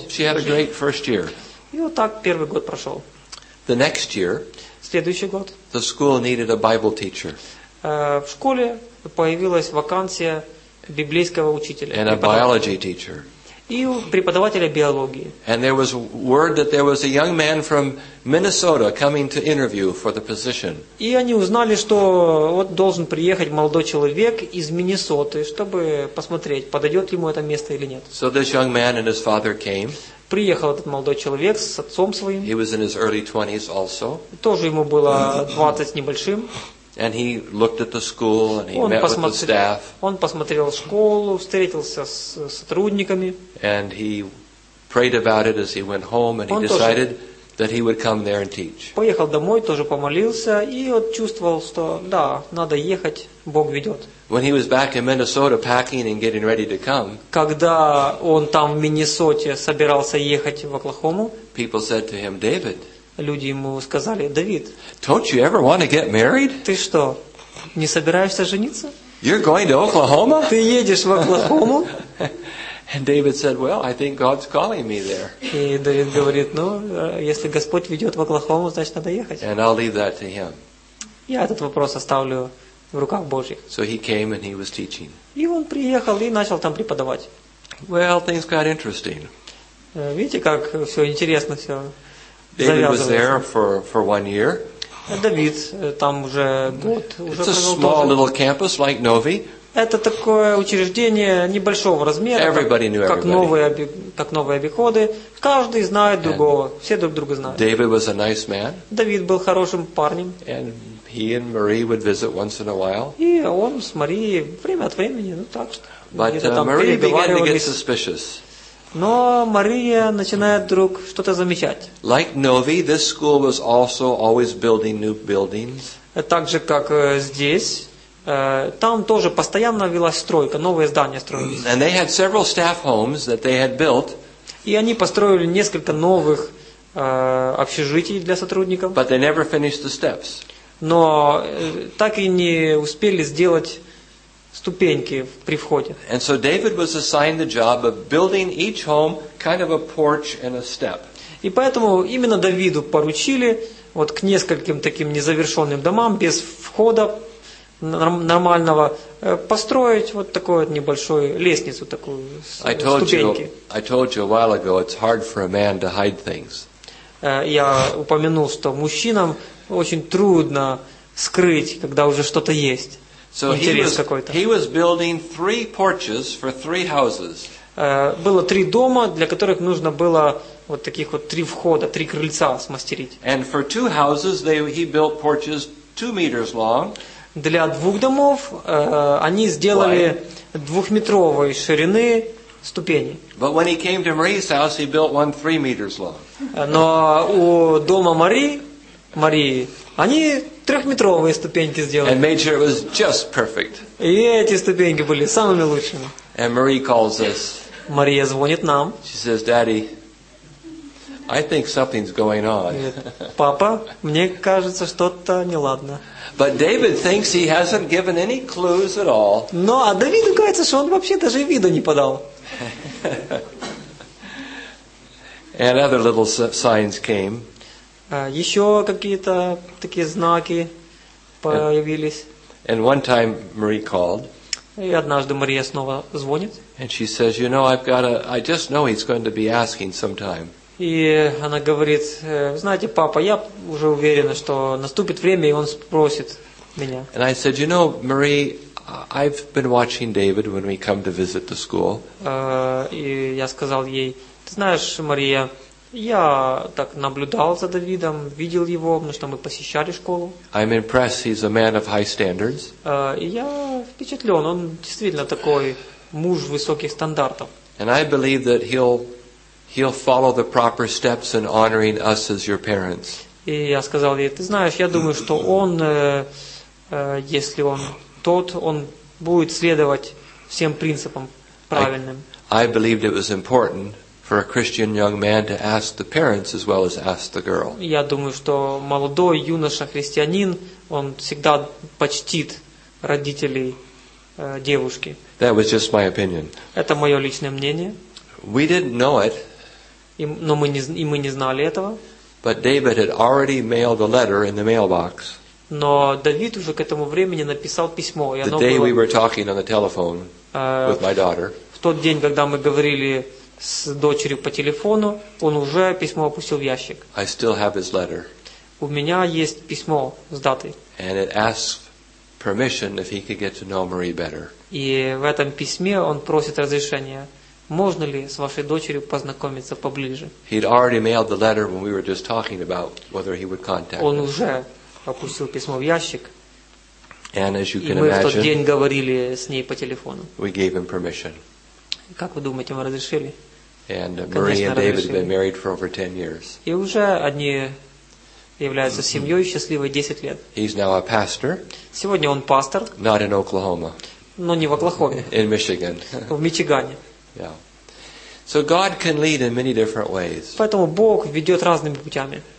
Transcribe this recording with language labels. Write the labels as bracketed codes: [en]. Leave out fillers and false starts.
[en] So she had a great first year. [ru] И вот так первый год прошел. [en] The next year, [ru] следующий год, [en] the school needed a Bible teacher. [ru] В школе появилась вакансия библейского учителя. [en] And a biology teacher. [ru] И преподавателя биологии. [en] And there was word that there was a young man from Minnesota coming to interview for the position. [ru] И они узнали, что вот должен приехать молодой человек из Миннесоты, чтобы посмотреть, подойдет ему это место или нет. [en] So this young man and his father came. [ru] Приехал этот молодой человек с отцом своим. [en] He was in his early 20s also. [ru] Тоже ему было 20 небольшим. [en] And he looked at the school and he met with the staff. [ru] Он посмотрел школу, встретился с сотрудниками. [en] And he prayed about it as he went home and he decided that he would come there and teach. [ru] Поехал домой, тоже помолился и вот чувствовал, что да, надо ехать, Бог ведет. [en] When he was back in Minnesota packing and getting ready to come, [ru] когда он там в Миннесоте собирался ехать в Оклахому, [en] people said to him, David, [ru] люди ему сказали, Давид, [en] don't you ever want to get married? [ru] Ты что, не собираешься жениться? [en] You're going to Oklahoma? [ru] Ты едешь в Оклахому? [en] And David said, well, I think God's calling me there. [ru] И Давид говорит, ну, если Господь ведет в Оклахому, значит, надо ехать. [en] And I'll leave that to him. [ru] Я этот вопрос оставлю в руках Божьих. [en] So he came and he was teaching. [ru] И он приехал и начал там преподавать. [en] Well, things got interesting. [ru] Видите, как все интересно, все завязывается. [en] David was there for 1 year. [ru] Давид там уже год уже провел. [en] It's a small little campus like Novi. [ru] Это такое учреждение небольшого размера, как новые обиходы. Каждый знает другого, and все друг друга знают. [en] David was a nice man. [ru] Давид был хорошим парнем. [en] And he and Marie would visit once in a while. [ru] И он с Марией время от времени, ну так что. [en] But Marie began to get suspicious. [ru] Но Мария начинает вдруг что-то замечать. [en] Like Novi, this school was also always building new buildings. [ru] Так же, как здесь. Там тоже постоянно велась стройка, новые здания строились. [en] And they had several staff homes that they had built. [ru] И они построили несколько новых общежитий для сотрудников. [en] But they never finished the steps. [ru] Но так и не успели сделать ступеньки при входе. [en] And so David was assigned the job of building each home kind of a porch and a step. [ru] И поэтому именно Давиду поручили вот к нескольким таким незавершенным домам без входа нормального построить вот такую вот небольшую лестницу, такую ступеньки. [en] I told you a while ago, it's hard for a man to hide things. [ru] Я упомянул, что мужчинам очень трудно скрыть, когда уже что-то есть. [en] So [ru] интерес какой-то. [en] He was building three porches for three houses. [ru] Было три дома, для которых нужно было вот таких вот три входа, три крыльца смастерить. [en] And for two houses, he built porches 2 meters long. [ru] Для двух домов они сделали двухметровой ширины ступени. [en] But when he came to Marie's house, he built one 3 meters long. [ru] Но у дома Марии, они трехметровые ступеньки сделали. [en] And made sure it was just perfect. [ru] И эти ступеньки были самыми лучшими. [en] And Marie calls us. [ru] Мария звонит нам. [en] She says, "Daddy, I think something's going on." [ru] Папа, мне кажется, что-то неладно. [en] But David thinks he hasn't given any clues at all. [ru] Но а Давиду кажется, что он вообще даже вида не подал. [en] And other little signs came. [ru] Еще какие-то такие знаки появились. [en] And one time Marie called. [ru] И однажды Мария снова звонит. [en] And she says, "You know, I've got a. I just know he's going to be asking sometime." [ru] И она говорит, знаете, папа, я уже уверена, что наступит время, и он спросит меня. [en] And I said, "You know, Marie, I've been watching David when we come to visit the school." [ru] И я сказал ей, ты знаешь, Мария, я так наблюдал за Давидом, видел его, потому что мы посещали школу. [en] I'm impressed. He's a man of high standards. [ru] И я впечатлен. Он действительно такой муж высоких стандартов. [en] And I believe that he'll follow the proper steps in honoring us as your parents. [ru] И я сказал ей, ты знаешь, я думаю, что он, если он тот, он будет следовать всем принципам правильным. [en] I believed it was important for a Christian young man to ask the parents as well as ask the girl. [ru] Я думаю, что молодой юноша христианин, он всегда почтит родителей девушки. [en] That was just my opinion. [ru] Это мое личное мнение. [en] We didn't know it. [ru] Но мы не знали этого. [en] But David had already mailed a letter in the mailbox. [ru] Но Давид уже к этому времени написал письмо. И [en] the day we were talking on the telephone with my daughter. [ru] В тот день, когда мы говорили с дочерью по телефону, он уже письмо опустил в ящик. [en] I still have his letter. [ru] У меня есть письмо с датой. [en] And it asks permission if he could get to know Marie better. [ru] И в этом письме он просит разрешения. Можно ли с вашей дочерью познакомиться поближе? [en] He'd already mailed the letter when we were just talking about whether he would contact. [ru] Он уже опустил письмо в ящик. [en] And as you [ru] и [en] can [ru] мы [en] imagine, [ru] в тот день говорили с ней по телефону. [en] We gave him permission. [ru] Как вы думаете, мы разрешили? [en] And Marie and David have been married for over 10 years. [ru] И уже они являются семьей счастливой 10 лет. [en] He's now a pastor. [ru] Сегодня он пастор. [en] Not in Oklahoma. [ru] Но не в Оклахоме. [en] In Michigan. [ru] В Мичигане. [en] Yeah. So God can lead in many different ways. [ru] Поэтому Бог ведет разными путями.